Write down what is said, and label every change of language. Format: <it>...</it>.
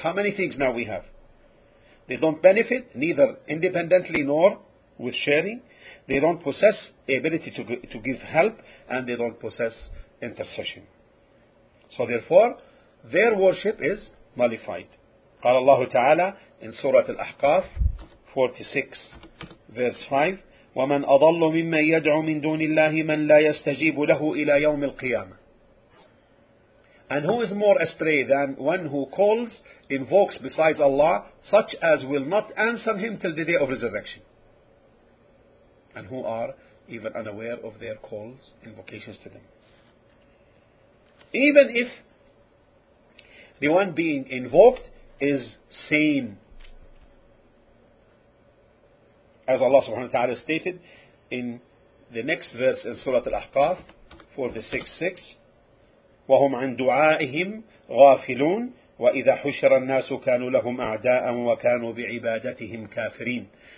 <en>How many things now we have? They don't benefit, neither independently nor with sharing. They don't possess the ability to give help, and they don't possess intercession. So therefore, their worship is nullified.</en> <ar>قال الله تعالى</ar> <en>in Surah Al-Ahqaf 46 verse 5,</en> <ar>ومن أضل ممن يدعو من دون الله من لا يستجيب له إلى يوم القيامة.</ar> <en>And who is more astray than one who calls, invokes besides Allah, such as will not answer him till the day of resurrection? And who are even unaware of their calls, invocations to them? Even if the one being invoked is sane, as Allah subhanahu wa ta'ala stated in the next verse in Surah Al-Ahqaf, 46:6,</en> <ar>وَهُمْ عَنْ دُعَائِهِمْ غَافِلُونَ وَإِذَا حُشِرَ النَّاسُ كَانُوا لَهُمْ أَعْدَاءً وَكَانُوا بِعِبَادَتِهِمْ كَافِرِينَ.</ar>